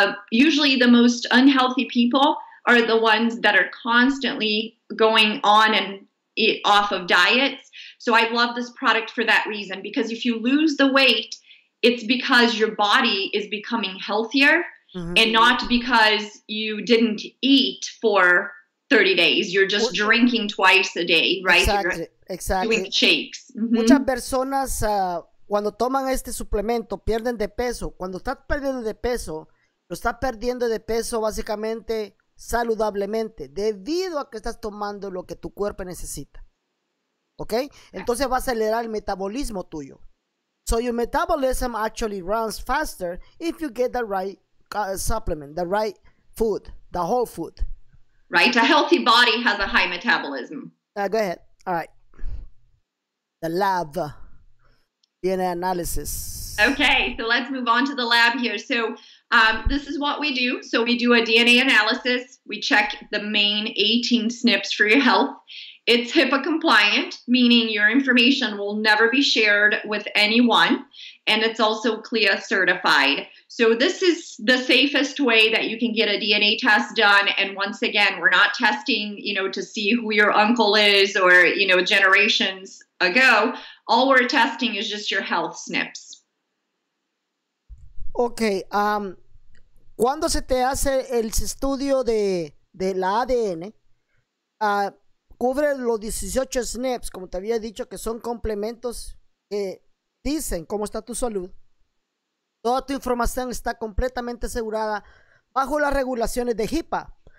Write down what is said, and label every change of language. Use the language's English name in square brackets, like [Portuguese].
[English] Usually the most unhealthy people are the ones that are constantly going on and off of diets. So I love this product for that reason, because if you lose the weight, it's because your body is becoming healthier and not because you didn't eat for 30 days. You're just drinking twice a day, right? Exactly. Doing shakes. Mm-hmm. [Spanish] Muchas personas cuando toman este suplemento pierden de peso. Cuando estás perdiendo de peso, lo estás perdiendo de peso básicamente saludablemente debido a que estás tomando lo que tu cuerpo necesita. Okay, entonces va a acelerar el metabolismo tuyo. [English] So your metabolism actually runs faster if you get the right supplement, the right food, the whole food. Right, a healthy body has a high metabolism. Go ahead. All right. The lab, DNA analysis. Okay, so let's move on to the lab here. So this is what we do. So we do a DNA analysis. We check the main 18 SNPs for your health. It's HIPAA compliant, meaning your information will never be shared with anyone, and it's also CLIA certified. So this is the safest way that you can get a DNA test done. And once again, we're not testing, you know, to see who your uncle is or, you know, generations ago. All we're testing is just your health SNPs. Okay. [Spanish] cuando se te hace el estudio de la ADN, cubre los 18 SNPs, como te había dicho, que son complementos que dicen cómo está tu salud. Toda tu información está completamente asegurada bajo las regulaciones de HIPAA.